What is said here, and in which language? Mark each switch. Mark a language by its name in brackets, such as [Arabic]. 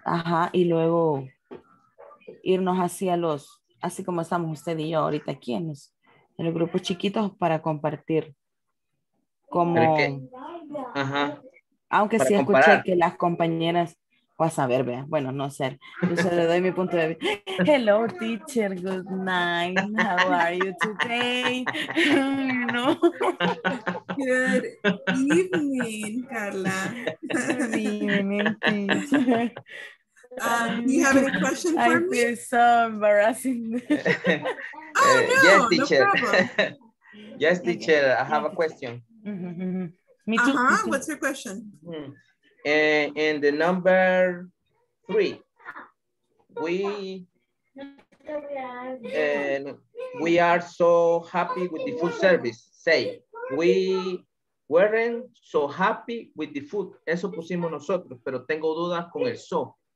[Spanish] Ajá, y luego irnos hacia los, así como estamos usted y yo ahorita aquí en los grupos chiquitos para compartir. Como, ajá, aunque sí comparar. Escuché que las compañeras, o a saber, vea, bueno, no sé, yo se le doy mi punto de vista. [English] Hello, teacher, good night, how are you today? No. Good evening, Carla. Good evening, teacher. Do you have any question for I me? I feel so embarrassing. Oh, no, yes, teacher. No problem. Yes, teacher, I have a question. Me too. Uh-huh. Me too. What's your question? In the number three, we are so happy with the food service. Say, we weren't so happy with the food. [Spanish] Eso pusimos nosotros, pero tengo dudas con el so.